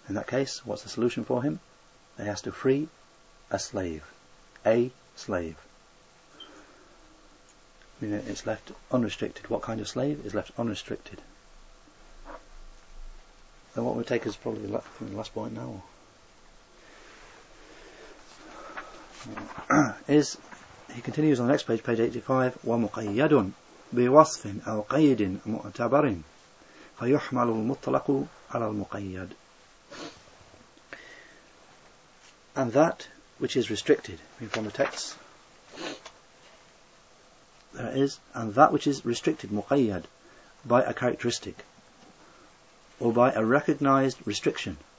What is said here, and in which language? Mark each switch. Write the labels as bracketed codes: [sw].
[en] In that case, what's the solution for him? He has to free a slave. A slave. I mean, it's left unrestricted. What kind of slave is left unrestricted? Then what we take is probably the last point now. Is, he continues on the next page, page 85, [ar] وَمُقَيَّدٌ بِوَصْفٍ أَوْ قَيْدٍ مُؤْتَبَرٍ فَيُحْمَلُ الْمُطْلَقُ عَلَى الْمُقَيَّدٍ. [en] And that which is restricted, I mean from the text, there it is, and that which is restricted, مُقَيَّد, by a characteristic, or by a recognized restriction.